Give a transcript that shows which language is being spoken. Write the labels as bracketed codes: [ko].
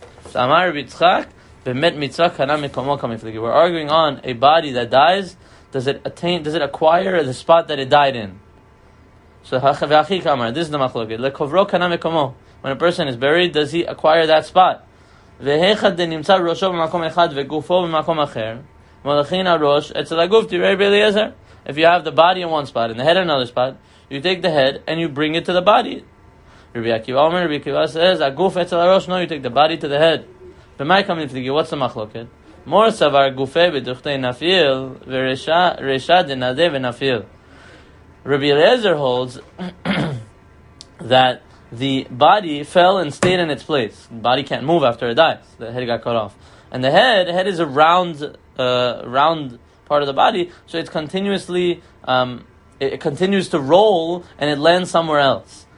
[he] So Amar Bitzchak, Bemet Mitzvah Kana Mikomo Kamiflegi. [en] We're arguing on a body that dies, does it acquire the spot that it died in? So Hachavachi Kamar, this is the Machloket. [he] Lekovro Kana Mikomo. [en] When a person is buried, does he acquire that spot? [he] והאחד נמצא ראשו במקום אחד וגופו במקום אחר, מלכין הראש אצל הגוף, תראה רבי אליעזר. [en] If you have the body in one spot and the head in another spot, you take the head and you bring it to the body. [he] רבי עקיבא אומר, [en] רבי עקיבא says, [he] הגוף אצל הראש, [en] no, you take the body to the head. [he] ומי קמים פתיגי, [en] what's the [he] מחלוקת? מור סבר גופי בדוחתי נפיל, ורשה דנדה ונפיל. [en] רבי אליעזר holds that the body fell and stayed in its place. The body can't move after it dies. The head got cut off. And the head is a round part of the body, so it's continuously, it continues to roll, and it lands somewhere else.